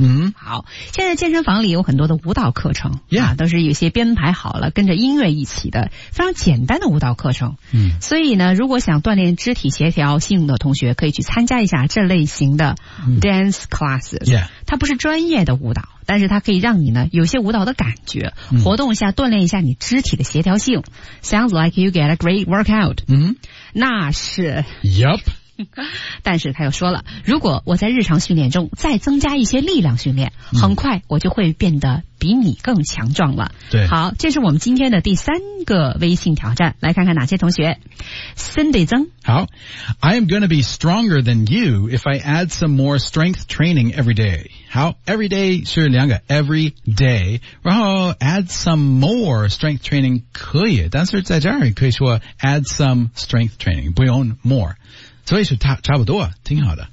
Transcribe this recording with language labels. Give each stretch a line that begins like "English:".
Chinese: Mm-hmm. 好，现在健身房里有很多的舞蹈课程、 yeah. 都是有些编排好了跟着音乐一起的非常简单的舞蹈课程、 mm-hmm. 所以呢，如果想锻炼肢体协调性的同学可以去参加一下这类型的 dance classes、 mm-hmm. yeah. 它不是专业的舞蹈，但是它可以让你呢有些舞蹈的感觉，活动一下、嗯、锻炼一下你肢体的协调性。
English: Sounds like you get a great workout. 嗯，
Chinese: 那是。 Yup. 但是他又说了，如果我在日常训练中再增加一些力量训练、嗯、很快我就会变得比你更强壮了。对。好，这是我们今天的第三个微信挑战，来看看哪些同学。 Cindy 曾。好。
English: I am going to be stronger than you if I add some more strength training every day.
Chinese: 好 ,every day, 是两个 ,every day, 然后
English: add some more strength training
Chinese: 可以，但是在这儿可以说
English: add some strength training,
Chinese: 不用 more, 所以是差不多挺好的。